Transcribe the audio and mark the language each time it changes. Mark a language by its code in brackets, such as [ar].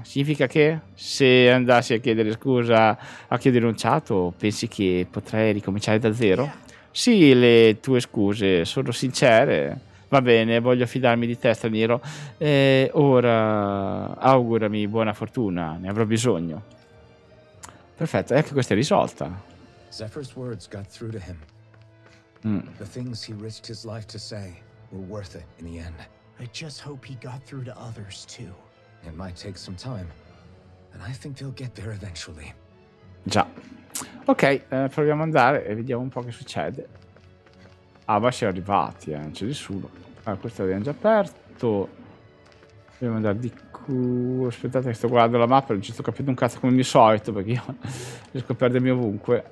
[it] Significa che se andassi a chiedere scusa a chi ho denunciato, pensi che potrei ricominciare da zero? Sì, le tue scuse sono sincere. Va bene, voglio fidarmi di te, straniero. E ora augurami buona fortuna, ne avrò bisogno. Perfetto, ecco, questa è risolta. [en] Zephyr's words got through to him. The things he risked his life to say were worth it in the end. I just hope he got through to others too. It might take some time, and I think they'll get there eventually. [it] Già. Ok, proviamo ad andare e vediamo un po' che succede. Ah, ma siamo arrivati, non c'è nessuno. Ah, questo l'abbiamo già aperto. Dobbiamo andare di qua. Aspettate che sto guardando la mappa, non ci sto capendo un cazzo come di solito, perché io riesco a perdermi ovunque.